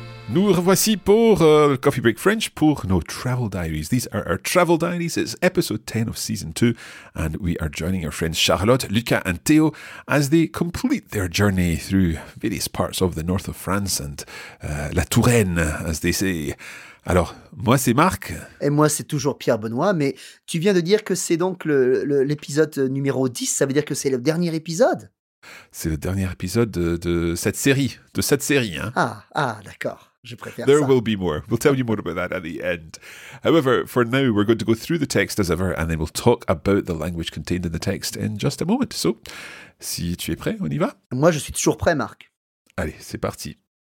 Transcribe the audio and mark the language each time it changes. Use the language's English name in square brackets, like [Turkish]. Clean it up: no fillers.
[French] Nous revoici pour Coffee Break French, pour nos Travel Diaries. [English] These are our Travel Diaries. It's Episode 10 of Season 2, and we are joining our friends Charlotte, Lucas and Théo as they complete their journey through various parts of the north of France and La Touraine, as they say. [French] Alors, moi c'est Marc. Et moi c'est toujours Pierre Benoît, mais tu viens de dire que c'est donc l'épisode numéro 10, ça veut dire que c'est le dernier épisode? C'est le dernier épisode de cette série. Hein. Ah, d'accord. Je préfère [English] There [French] ça. [English] There will be more. We'll tell you more about that at the end. However, for now, we're going to go through the text as ever, and then we'll talk about the language contained in the text in just a moment. [French] So, si tu es prêt, on y va. Moi, je suis toujours prêt, Marc. Allez, c'est parti.